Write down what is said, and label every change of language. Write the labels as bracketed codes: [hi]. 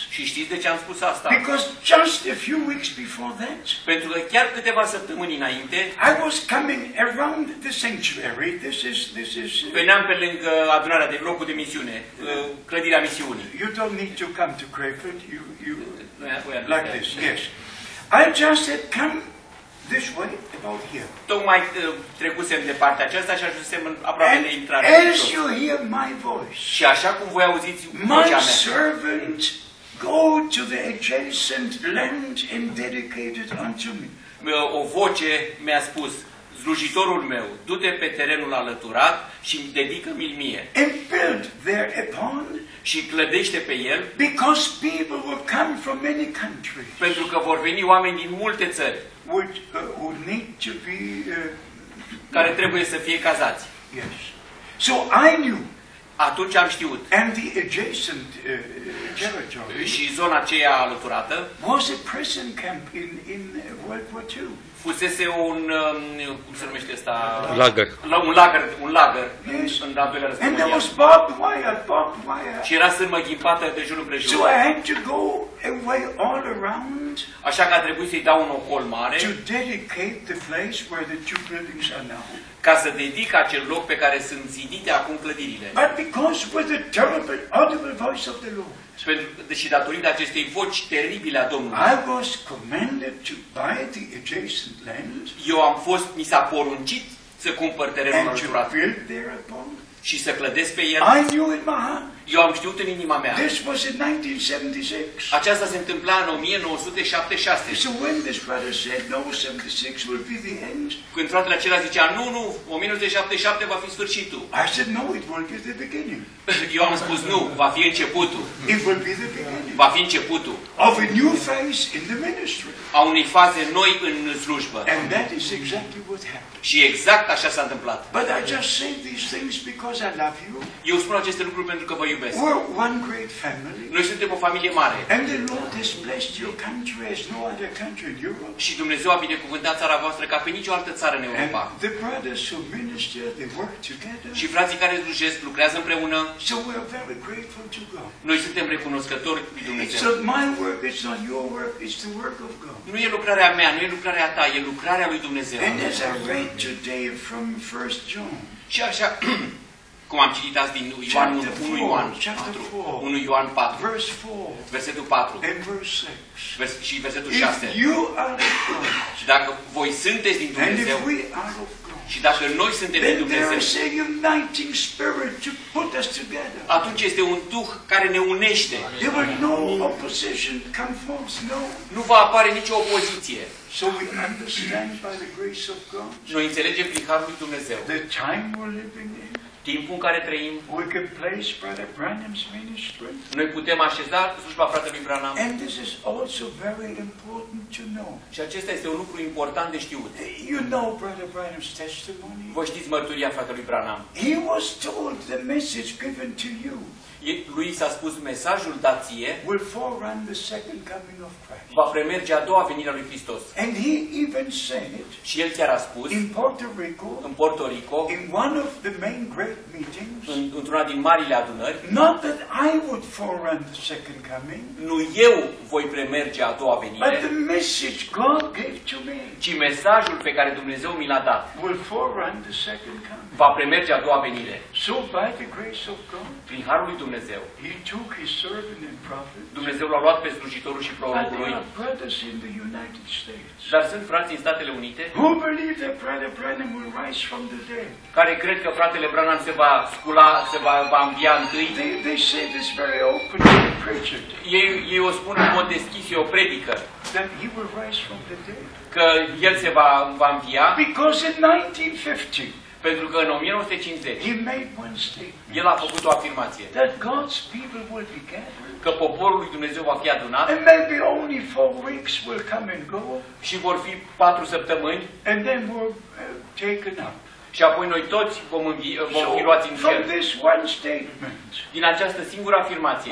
[ro] Și știți de ce am spus asta? [en] Because just a few weeks before that, [ro] pentru că chiar câteva săptămâni înainte, [en] I was coming around the sanctuary. This is. [ro] Veneam pe lângă adunarea de locul de misiune, clădirea misiunii. [en] You don't need to come to Crayford. You like this? Yes. I just said come this way, about here. [ro] Tocmai trecusem de partea aceasta și ajunsem aproape [en] and [ro] de intrare. [en] As you hear my voice, [ro] și așa cum voi auziți [en] my [ro] vocea mea, [en] servant, go to the adjacent land and dedicate it unto me. [ro] O voce mi-a spus, slujitorul meu, du-te pe terenul alăturat și îmi dedică-mi mie. [en] And build thereupon. [ro] Și clădește pe el. [en] Because people will come from many countries. [ro] Pentru că vor veni oameni din multe țări. [en] Which would need to be. [ro] Care trebuie să fie cazați. [en] Yes. So I knew. [ro] Atunci am știut. [en] And the adjacent territory. [ro] Și zona aceea alăturată. [en] Was a prison camp in World War II. [ro] Fusese un cum se numește asta? [de] Lager. [ro] Un lager. [en] Yes. [ro] În al doilea război. [en] And there was barbed wire. [ro] Și era sârmă ghimpată de jur împrejur. [en] So I had to go away all around. [ro] Așa că a trebuit să-i dau un ocol mare. [en] To dedicate the place where the two buildings are now. [ro] Ca să dedic acel loc pe care sunt zidite acum clădirile. [en] But because of the terrible, audible voice of the Lord. [ro] Și datorită acestei voci teribile a Domnului. [en] I was commanded to buy the adjacent land. [ro] Eu am fost, mi s-a poruncit să cumpăr terenul alăturat. Și să clădesc pe el. [en] I knew in my heart. [ro] Eu am știut în inima mea. [en] This was in 1976. [ro] Aceasta se întâmpla în 1976. [en] So when this brother said no, 76 will be the end. [ro] Când fratele acela zicea nu, 1977 va fi sfârșitul. [en] I said no, it will be the beginning. [ro] Eu am spus nu, va fi începutul. [en] It will be the beginning. [ro] Va fi începutul. [en] Of a new phase in the ministry. [ro] A unei faze noi în slujbă. [en] And that is exactly what happened. [ro] Și exact așa s-a întâmplat. [en] But I just say these things because I love you. [ro] Eu spun aceste lucruri pentru că vă iubesc. [en] We're one great family. [ro] Noi suntem o familie mare. [en] And the Lord has blessed your country as no other country in Europe. [ro] Și Dumnezeu a binecuvântat țara voastră ca pe nicio altă țară în Europa. [en] And the brothers who minister, they work together. [ro] Și frații care slujesc lucrează împreună. [en] So we are very grateful to God. [ro] Noi suntem recunoscători lui Dumnezeu. [en] So my work is not your work, it's the work of God. [ro] Nu e lucrarea mea, nu e lucrarea ta, e lucrarea lui Dumnezeu. [en] And as I read today from 1 John. [ro] Și așa cum am citit azi din Ioan 1 Ioan 4, [en] verse 4, [ro] versetul 4 [en] and verse 6. [ro] Și versetul 6. [en] If you are of God, [ro] dacă voi sunteți din Dumnezeu, [en] and if we are of God, [ro] și dacă noi suntem din Dumnezeu, [en] to put us together. [ro] Atunci este un Duh care ne unește. [en] There will no opposition come forth, no. [ro] Nu va apare nicio opoziție. [en] So we understand by the grace of God. [ro] Noi înțelegem prin harul lui Dumnezeu. [en] The time we're living in. [ro] Timpul în care trăim. [en] We can place Brother Branham's ministry. [ro] Noi putem așeza slujba fratelui Branham. [en] And this is also very important to know. [ro] Și acesta este un lucru important de știut. [en] You know Brother Branham's testimony. [ro] Vă știți mărturia fratelui Branham. [en] He was told the message given to you. [ro] Lui s-a spus mesajul dat ție. [en] Will forerun the second coming of Christ. [ro] Va premerge a doua venire a lui Hristos. [en] And he even said. [ro] Și el chiar a spus. [en] In Puerto Rico. [ro] În Puerto Rico. [en] In one of the main great meetings. [ro] Într-una din marile adunări. [en] Not that I would forerun the second coming. [ro] Nu eu voi premerge a doua venire. [en] But the message God gave to me. [ro] Ci mesajul pe care Dumnezeu mi l-a dat. [en] Will forerun the second coming. [ro] Va premerge a doua venire. [en] So by the grace of God. [ro] Prin harul lui Dumnezeu. [en] He took his servant and prophet. [ro] Dumnezeu l-a luat pe slujitorul și prorocul lui. [en] Brothers in the United States. [ro] Dar sunt frați în Statele Unite. [en] Who believe that Brother Branham will rise from the dead? [ro] Care cred că fratele Branham se va scula, se va învia întâi? [en] They say this very openly, preached. [ro] Ei o spun în mod deschis, e o predică. [en] That he will rise from the dead. [ro] Că el se va învia. [en] Because in 1950. [ro] Pentru că în 1950. [en] He made one statement. [ro] El a făcut o afirmație. [en] That God's people will be gathered. [ro] Că poporul lui Dumnezeu va fi adunat. [en] And maybe only 4 weeks will come and go. [ro] Și vor fi 4 săptămâni. [en] And then we're taken up. [ro] Și apoi noi toți vom fi luați în cer. [en] From this one statement. [ro] Din această singură afirmație.